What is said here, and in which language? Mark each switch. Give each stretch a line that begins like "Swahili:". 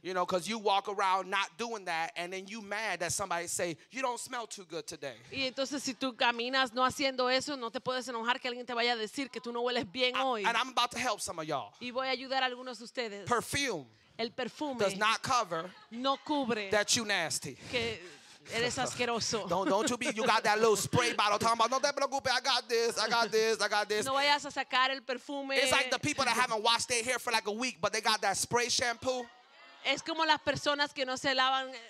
English: You know, because you walk around not doing that and then you mad that somebody say, you don't smell too good today.
Spanish: Y entonces si tú caminas no haciendo eso, no te puedes enojar que alguien te vaya a decir que tú no hueles bien hoy.
English: And I'm about to help some of y'all.
Spanish: Y voy a ayudar a algunos de ustedes.
English: Perfume.
Spanish: El perfume
English: does not cover
Spanish: no cubre
English: that you nasty.
Spanish: Que eres asqueroso.
English: Don't you be, you got that little spray bottle talking about,
Spanish: no te preocupes,
English: I got this.
Spanish: No vayas a sacar el perfume.
English: It's like the people that haven't washed their hair for like a week, but they got that spray shampoo.
Spanish: Es como las personas que no se lavan.